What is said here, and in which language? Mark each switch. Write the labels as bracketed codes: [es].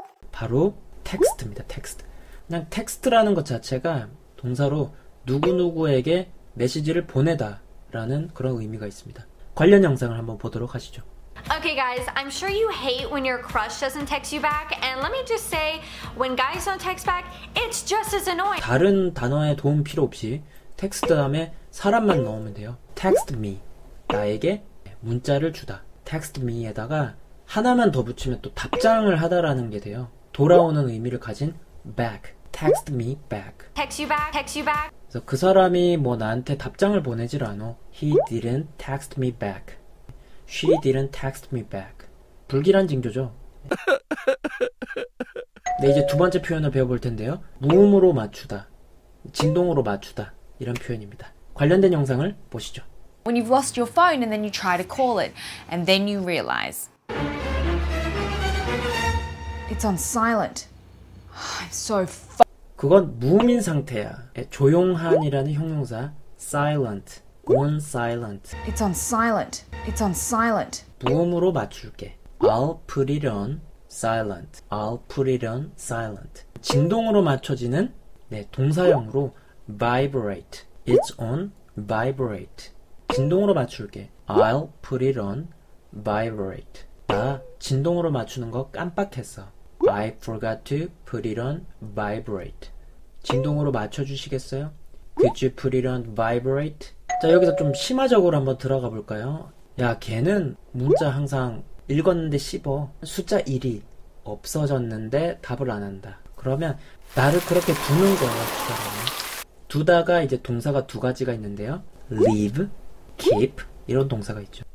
[ko] 바로 텍스트입니다. 텍스트. 그냥 텍스트라는 것 자체가 동사로 누구누구에게 메시지를 보내다라는 그런 의미가 있습니다. 관련 영상을 한번 보도록 하시죠. [en] Okay, guys, I'm sure you hate when your crush doesn't text you back. And let me just say, when guys don't text back, it's just as annoying. [ko] 다른 단어의 도움 필요 없이 텍스트 다음에 사람만 넣으면 돼요. [en] Text me. [ko] 나에게 문자를 주다. [en] Text me [ko] 에다가 하나만 더 붙이면 또 답장을 하다라는 게 돼요. 돌아오는 의미를 가진 back. [en] Text me back. Text you back, text you back. [ko] 그래서 그 사람이 뭐 나한테 답장을 보내질 않아. [en] He didn't text me back. She didn't text me back. [ko] 불길한 징조죠. 네, 이제 두 번째 표현을 배워볼 텐데요. 무음으로 맞추다, 진동으로 맞추다 이런 표현입니다. 관련된 영상을 보시죠. [en] When you've lost your phone and then you try to call it and then you realize it's on silent. I'm so fu- [ko] 그건 무음인 상태야. 조용한이라는 형용사 silent. [en] On silent. It's on silent. It's on silent. [ko] 무음으로 맞출게. [en] I'll put it on silent. I'll put it on silent. [ko] 진동으로 맞춰지는 네, 동사형으로 vibrate. [en] It's on vibrate. [ko] 진동으로 맞출게. [en] I'll put it on vibrate. [ko] 나 진동으로 맞추는 거 깜빡했어. [en] I forgot to put it on vibrate. [ko] 진동으로 맞춰주시겠어요? [en] Could you put it on vibrate? [ko] 자, 여기서 좀 심화적으로 한번 들어가 볼까요? 야, 걔는 문자 항상 읽었는데 씹어. 숫자 1이 없어졌는데 답을 안 한다. 그러면 나를 그렇게 두는 거야, 그 사람은. 두다가 이제 동사가 두 가지가 있는데요. leave, keep 이런 동사가 있죠.